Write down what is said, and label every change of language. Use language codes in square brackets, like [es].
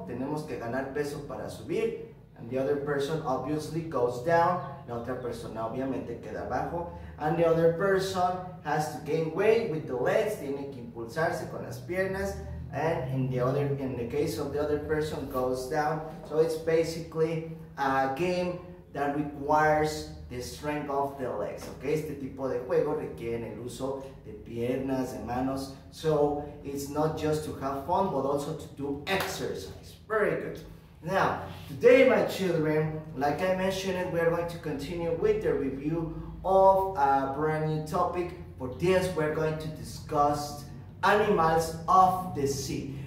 [es] Tenemos que ganar peso para subir, [en] and the other person obviously goes down, [es] la otra persona obviamente queda abajo, [en] and the other person has to gain weight with the legs, [es] tiene que impulsarse con las piernas, [en] and in the case of the other person goes down. So it's basically a game that requires the strength of the legs, okay? [es] Este tipo de juego requiere el uso de piernas, de manos. [en] So it's not just to have fun, but also to do exercise. Very good. Now, today, my children, like I mentioned, we are going to continue with the review of a brand new topic. For this, we're going to discuss animals of the sea.